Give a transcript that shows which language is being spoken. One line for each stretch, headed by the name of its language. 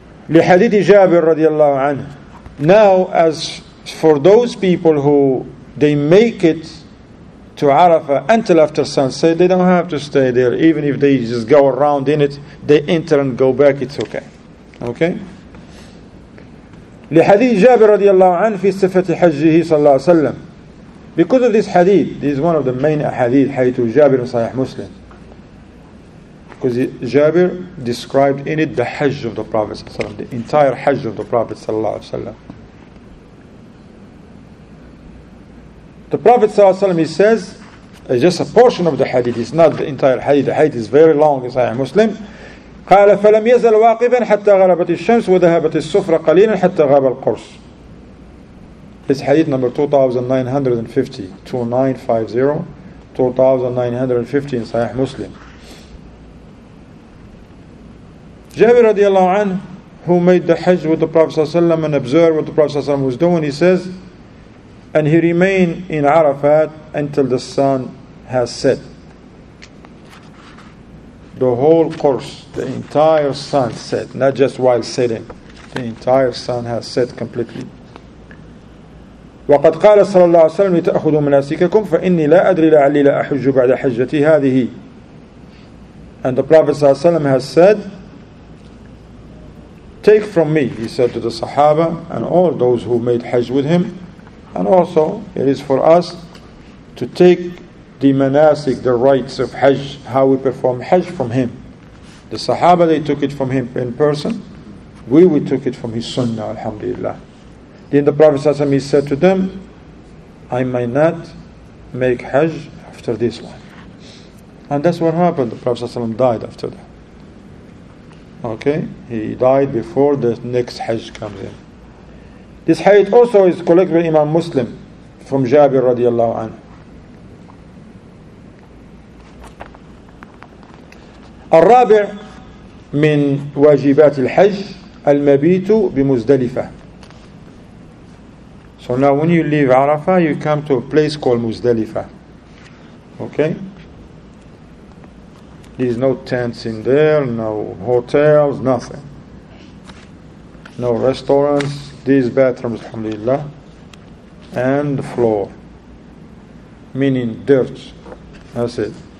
Arabic: لحديث جابر رضي الله عنه.
English: Now, as for those people who they make it to Arafah until after sunset, they don't have to stay there. Even if they just go around in it, they enter and go back, it's okay. Okay?
Arabic: لحديث جابر رضي الله عنه في صفة حجه صلى الله عليه وسلم.
English: Because of this hadith, this is one of the main hadith, حديث جابر صحيح مسلم. Because Jabir described in it the Hajj of the Prophet ﷺ, the entire Hajj of the Prophet ﷺ. The Prophet ﷺ, he says, just a portion of the hadith, it's not the entire hadith. The hadith is very long, as I am Muslim.
Arabic: قال فلم يزل واقفا حتى غربت الشمس وذهبت السفرة قليلا حتى غاب القرص.
English: This hadith number 2950 in Sahih Muslim. Jabir radiallahu anhu, who made the Hajj with the Prophet ﷺ and observed what the Prophet ﷺ was doing, he says, and he remained in Arafat until the sun has set. The whole course, the entire sun set, not just while sitting, the entire sun has set completely.
Arabic: وقد قال صلى الله عليه وسلم لتأخذوا مناسككم فإني لا أدري لعلي لا أحج بعد حجتي هذه.
English: And the Prophet ﷺ has said, take from me, he said to the Sahaba and all those who made Hajj with him, and also it is for us to take the manasik, the rites of Hajj, how we perform Hajj from him. The Sahaba, they took it from him in person. We took it from his sunnah, alhamdulillah. Then the Prophet ﷺ, he said to them, I may not make Hajj after this one. And that's what happened. The Prophet ﷺ died after that. Okay, he died before the next Hajj comes in. This hadith also is collected by Imam Muslim from Jabir radiallahu anhu.
Arabic: الرابع من واجبات الحج المبيت بمزدلفة.
English: So now when you leave Arafah, you come to a place called Muzdalifa. Okay? There's no tents in there, no hotels, nothing. No restaurants, these bathrooms, alhamdulillah. And the floor, meaning dirt. That's it.